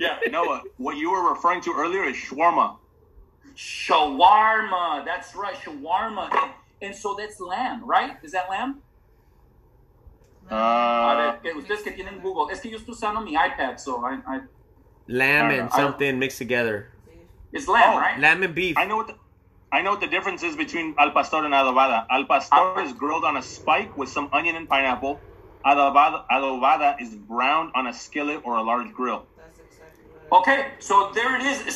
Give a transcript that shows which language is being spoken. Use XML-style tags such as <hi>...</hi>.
<en>Noah, what you were referring to earlier is shawarma. Shawarma. That's right. Shawarma. And so that's lamb, right? Is that lamb?</en> <es>Ustedes que tienen Google. Es que yo estoy usando mi iPad,</es> <en>so I lamb and something mixed together. It's lamb, right? Lamb and beef. I know what the difference is between al pastor and adobada. Al pastor is grilled on a spike with some onion and pineapple. Adobada is browned on a skillet or a large grill. That's exactly right. Okay, so there it is.</en>